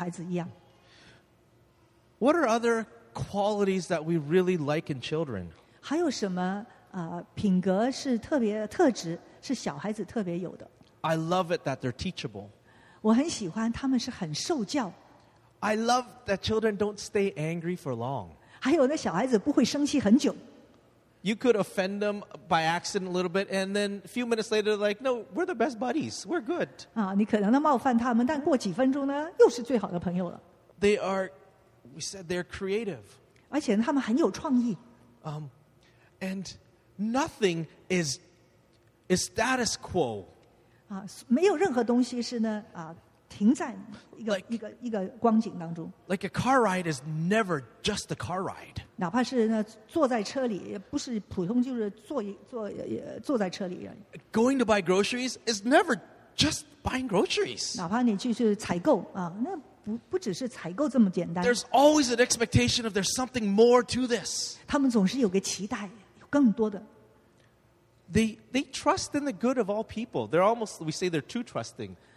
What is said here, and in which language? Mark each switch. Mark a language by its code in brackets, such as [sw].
[zh] 所以呢，这几天我们就看见呢，是要怎么样的来降服，变成小孩子一样。 [en] What are other qualities that we really like in children? [zh] 还有什么品格是特别特质是小孩子特别有的？ [en] I love it that they're teachable. [zh] 我很喜欢他们是很受教。 [en] I love that children don't stay angry for long. [zh] 还有呢，小孩子不会生气很久。 [en] you could offend them by accident a little bit, and then a few minutes later, like, no, we're the best buddies. We're good. [zh] 啊, 你可能冒犯他们, 但过几分钟呢, 又是最好的朋友了。 [en] They are, we said, they're creative. [zh] 而且他们很有创意。 [en] And nothing is status quo. [zh] 啊, 没有任何东西是呢, 啊, 停在一个光景当中 [en] like a car ride is never just a car ride [zh] 哪怕是坐在车里也不是普通就是坐在车里 [en] going to buy groceries is never just buying groceries [zh] 哪怕你去采购那不只是采购这么简单 [en] there's always an expectation of there's something more to this [zh] 他们总是有个期待 有更多的 [en] they trust in the good of all people they're almost we say they're too trusting